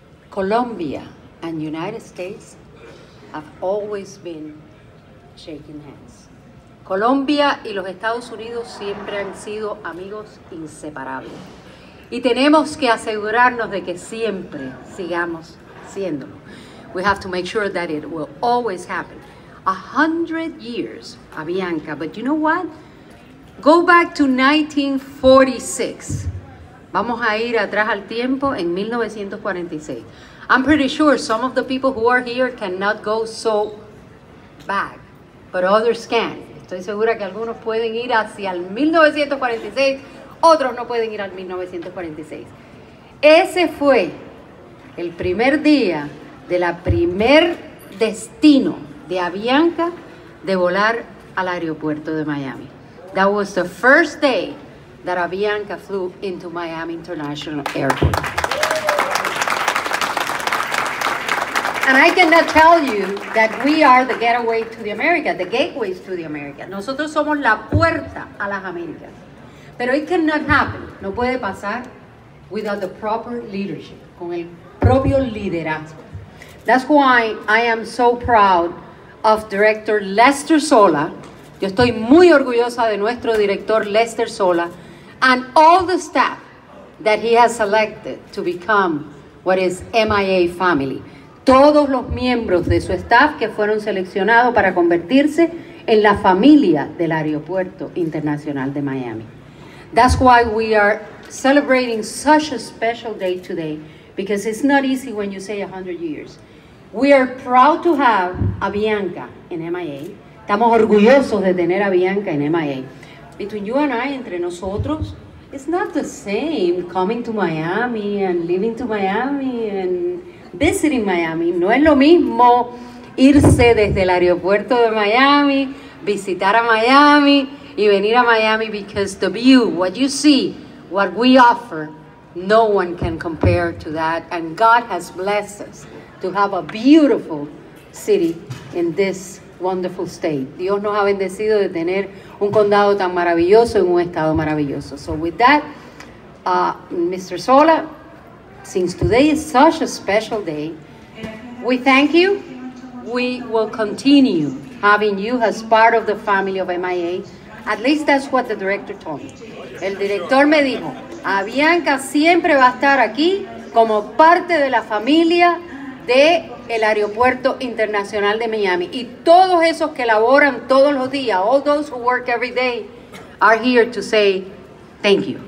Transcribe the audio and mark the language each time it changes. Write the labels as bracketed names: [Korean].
[English] Colombia and United States have always been shaking hands. [Spanish] Colombia y los Estados Unidos siempre han sido amigos inseparables. Y tenemos que asegurarnos de que siempre sigamos siéndolo. [English] We have to make sure that it will always happen. 100 years, Avianca. But you know what? Go back to 1946. [Spanish] Vamos a ir atrás al tiempo en 1946. [English] I'm pretty sure some of the people who are here cannot go so back. But others can. [Spanish] Estoy segura que algunos pueden ir hacia el 1946. Otros no pueden ir al 1946. Ese fue el primer día de la primer destino de Avianca de volar al aeropuerto de Miami. [English] That was the first day that Avianca flew into Miami International Airport. And I cannot tell you that we are the getaway to the America, the gateways to the America. [Spanish] Nosotros somos la puerta a las Américas. Pero [English] it cannot happen, [Spanish] no puede pasar, [English] without the proper leadership, [Spanish] con el propio liderazgo. [English] That's why I am so proud of Director Lester Sola. [Spanish] Yo estoy muy orgullosa de nuestro director Lester Sola [English] and all the staff that he has selected to become what is MIA family. [Spanish] Todos los miembros de su staff que fueron seleccionados para convertirse en la familia del Aeropuerto Internacional de Miami. [English] That's why we are celebrating such a special day today, because it's not easy when you say 100 years. We are proud to have Avianca in MIA. [Spanish] Estamos orgullosos de tener Avianca en MIA. [English] Between you and I, [Spanish] entre nosotros, [English] it's not the same coming to Miami and living to Miami and visiting Miami. [Spanish] No es lo mismo irse desde el aeropuerto de Miami, visitar a Miami, y venir a Miami, [English] because the view, what you see, what we offer, no one can compare to that. And God has blessed us to have a beautiful city in this wonderful state. [Spanish] Dios nos ha bendecido de tener un condado tan maravilloso en un estado maravilloso. [English] So with that, Mr. Sola, since today is such a special day, we thank you. We will continue having you as part of the family of MIA. At least that's what the director told me. [Spanish] El director me dijo, Avianca siempre va a estar aquí como parte de la familia del Aeropuerto Internacional de Miami. Y todos esos que laboran todos los días, [English] all those who work every day, are here to say thank you.